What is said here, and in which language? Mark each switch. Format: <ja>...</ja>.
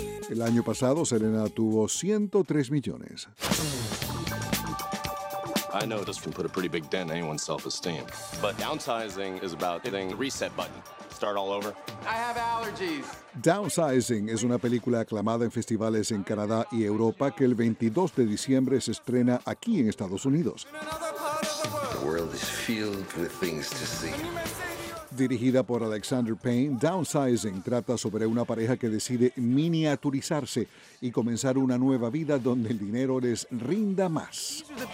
<es>El año pasado, Selena tuvo 103 millones.</es> <en>I know this can put a pretty big dent in anyone's self-esteem, but downsizing is about hitting the reset button. Start all over. I have allergies.</en> <es>Downsizing es una película aclamada en festivales en Canadá y Europa que el 22 de diciembre se estrena aquí en Estados Unidos.</es> <en>The world is filled with things to see.</en> <es>Dirigida por Alexander Payne, Downsizing trata sobre una pareja que decide miniaturizarse y comenzar una nueva vida donde el dinero les rinda más.</es>